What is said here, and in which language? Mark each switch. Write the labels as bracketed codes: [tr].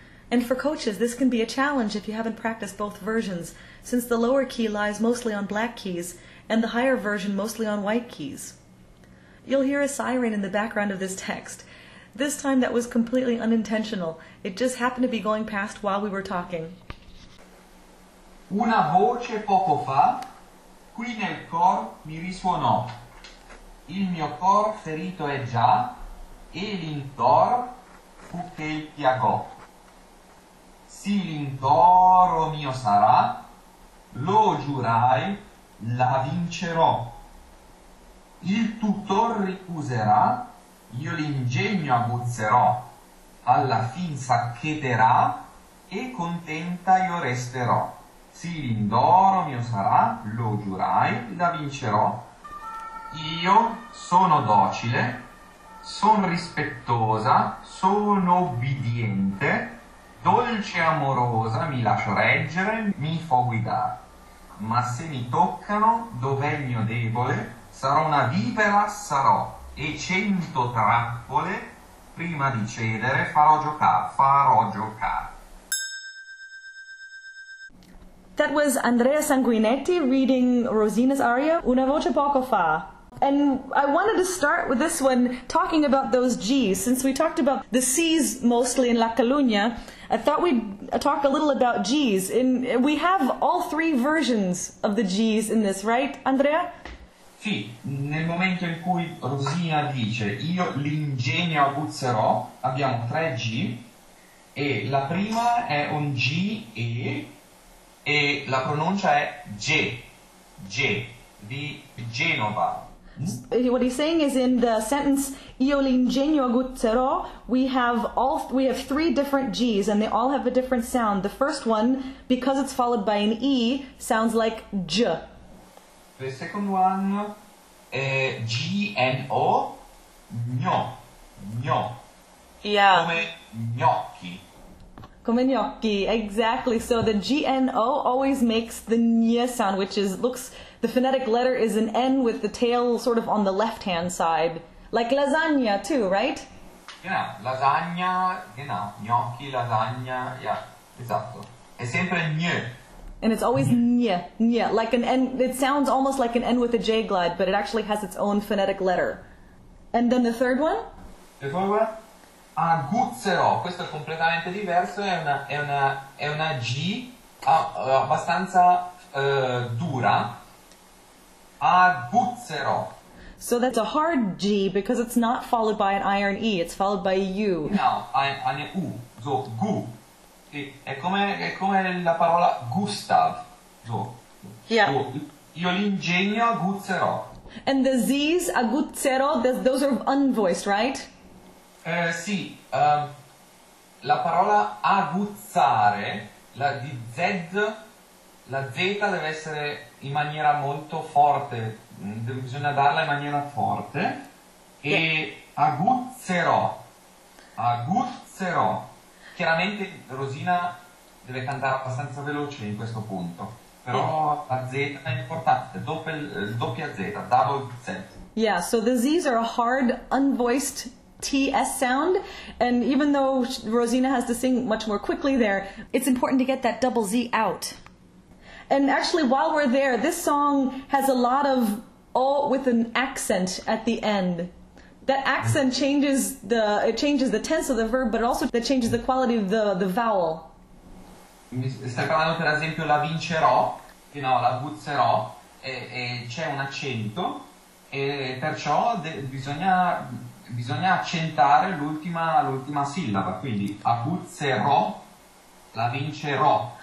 [en] And for coaches, this can be a challenge if you haven't practiced both versions, since the lower key lies mostly on black keys, and the higher version mostly on white keys. You'll hear a siren in the background of this text. This time that was completely unintentional. It just happened to be going past while we were talking. [it] Una voce poco fa, qui nel cor mi risuonò. Il mio cor ferito è già, e l'intor fu che il piagò. Sì, l'intoro mio sarà, lo giurai, la vincerò. Il tutor ricuserà, io l'ingegno abbuzzerò. Alla fin s'accheterà, e contenta io resterò. Sì, l'indoro mio sarà, lo giurai, la vincerò. Io sono docile, son rispettosa, sono obbediente, dolce amorosa, mi lascio reggere, mi fo guidare. Ma se mi toccano, dov'è il mio debole, sarò una vipera, sarò, e 100 trappole, prima di cedere, farò giocare. [en] That was Andrea Sanguinetti reading Rosina's aria, Una voce poco fa. And I wanted to start with this one, talking about those G's. Since we talked about the C's mostly in La Coruña, I thought we'd talk a little about G's. We have all three versions of the G's in this, right, Andrea? [it] Sì, nel momento in cui Rosina dice, io l'ingegno abuzzerò, abbiamo tre G, e la prima è un G-E, e la pronuncia è G, di Genova. [en] What he's saying is in the sentence Io l'ingegno aguzzerò, we have three different G's and they all have a different sound. The first one, because it's followed by an E, sounds like J. The second one, G-N-O, gno. Yeah. [it] Come gnocchi. Come gnocchi, [en] exactly. So the G-N-O always makes the N sound, which is looks... The phonetic letter is an N with the tail sort of on the left-hand side. Like lasagna too, right? Yeah, lasagna, [de] genau. [it] Gnocchi, lasagna, [en] yeah, [it] esatto. È sempre N. [en] And it's always N, like an N. It sounds almost like an N with a J glide, but it actually has its own phonetic letter. And then the third one? The third one? Aguzzerò. [it] Questo è completamente diverso, è una G abbastanza dura. Aguzzerò. [en] So that's a hard G because it's not followed by an iron E, it's followed by a U. No, an U, so gu. [it] È come la parola Gustav. [en] So, yeah. So, [it] io l'ingegno aguzzerò. [en] And the Z's, aguzzerò, those are unvoiced, right? [it] Sì. La parola aguzzare, la di Z, la Z deve essere in maniera molto forte, bisogna darla in maniera forte. E [en] yeah. [it] aguzzerò. Chiaramente Rosina deve cantare abbastanza veloce in questo punto, però la Z è importante, doppia Z, [en] double Z. Yeah, so the Z's are a hard, unvoiced TS sound, and even though Rosina has to sing much more quickly there, it's important to get that double Z out. And actually, while we're there, this song has a lot of O with an accent at the end. That accent changes the tense of the verb, but also that changes the quality of the vowel. [it] Stai parlando per esempio la vincerò, no, la guzzerò, e c'è un accento, e perciò bisogna accentare l'ultima sillaba, quindi aguzzerò, la vincerò.